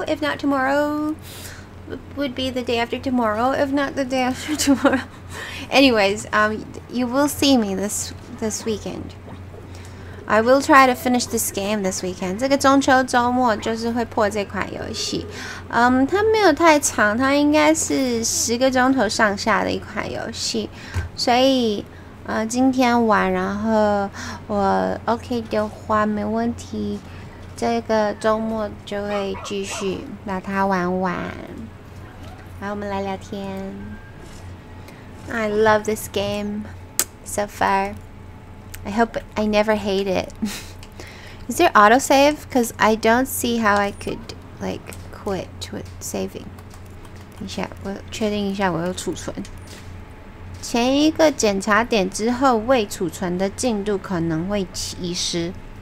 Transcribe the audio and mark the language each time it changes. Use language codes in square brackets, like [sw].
[en] If not tomorrow, would be the day after tomorrow. If not the day after tomorrow. Anyways, you will see me this weekend. I will try to finish this game this weekend. [zh] 这个中秋周末就是会破这款游戏。它没有太长，它应该是十个钟头上下的一款游戏。所以，今天玩，然后我 OK 的话没问题，这个周末就会继续把它玩完。好，我们来聊天。 [en] I love this game so far. I hope I never hate it. Is there autosave? Because I don't see how I could, like, quit with saving. [zh] 等一下，我确定一下我有储存。前一个检查点之后未储存的进度可能会遗失。